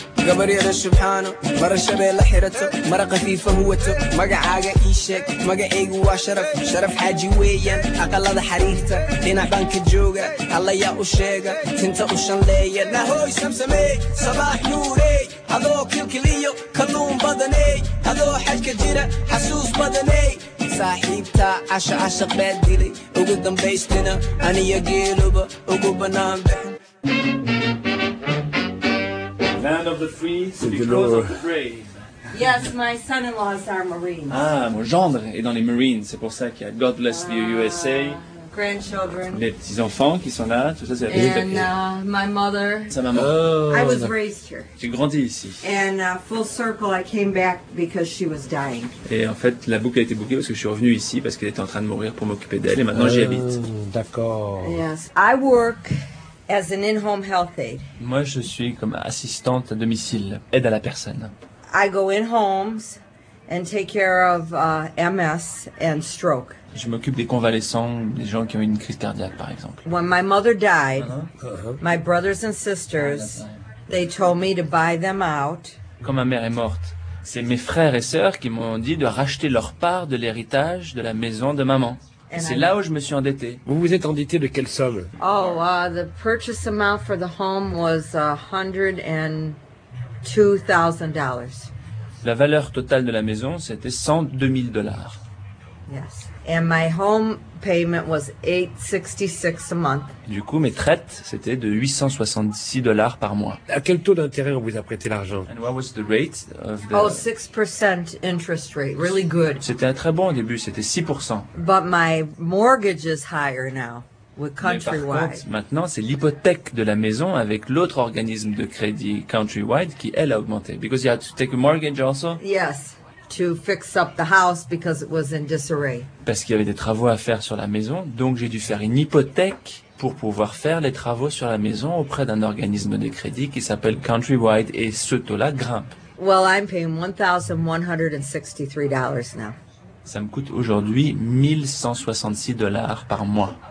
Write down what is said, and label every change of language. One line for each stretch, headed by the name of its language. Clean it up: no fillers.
English: قبري على سبحانه مرة شبه لحيرته مرة خفيفة هوته مقع عاقة إيشك مقع إيقوا شرف شرف حاجي ويان أقل هذا حريقته لنا بانك جوغة الله يا أشيقة تنت أشان ليا نهوي سمسمي صباح نوري هذو كل كليو كلوم بدني هذو حاج كجيرة حسوس بدني صاحب تاع عش عشق بديلي وقدم بيستنا أنا يا قلوبة وقوبنا بحن Land of the free, city close of the brave. Yes, my son-in-law is our Marine.
French: Ah, mon gendre est dans les Marines, c'est pour ça qu'il y a God bless the USA.
English: Grandchildren.
French: Les petits-enfants qui sont là, tout ça c'est la vie.
English: And my mother.
French: Sa maman.
English: Oh, I was raised here.
French: J'ai grandi ici.
English: And full circle, I came back because she was dying.
French: Et en fait, la boucle a été bouclée parce que je suis revenu ici parce qu'elle était en train de mourir pour m'occuper d'elle et maintenant j'y habite. D'accord.
English: Yes, I work as an in-home health aide.
French: Moi, je suis comme assistante à domicile, aide à la personne.
English: I go in homes and take care of MS and stroke.
French: Je m'occupe des convalescents, des gens qui ont une crise cardiaque, par exemple.
English: When my mother died, my brothers and sisters, they told me to buy them out.
French: Quand ma mère est morte, c'est mes frères et sœurs qui m'ont dit de racheter leur part de l'héritage de la maison de maman. C'est là où je me suis endetté. Vous vous êtes endetté de quelle somme?
English: Oh, the purchase amount for the home was $102,000.
French: La valeur totale de la maison, c'était $102,000.
English: Yes. And my home payment was $866 a month.
French: Du coup, mes traites, c'était de $866 par mois. À quel taux d'intérêt on vous a prêté l'argent?
English: And what was the rate of the... Oh, 6% interest rate. Really good.
French: C'était un très bon au début, c'était 6%.
English: But my mortgage is higher now with Countrywide.
French: Mais par contre, maintenant, c'est l'hypothèque de la maison avec l'autre organisme de crédit Countrywide qui, elle, a augmenté.
English: Because you had to take a mortgage also? Yes. To fix up the house because it was in disarray.
French: Parce qu'il y avait des travaux à faire sur la maison, donc j'ai dû faire une hypothèque pour pouvoir faire les travaux sur la maison auprès d'un organisme de crédit qui s'appelle Countrywide, et ce taux-là grimpe.
English: Well, I'm paying $1,163 now.
French: Ça me coûte aujourd'hui $1,166 par mois.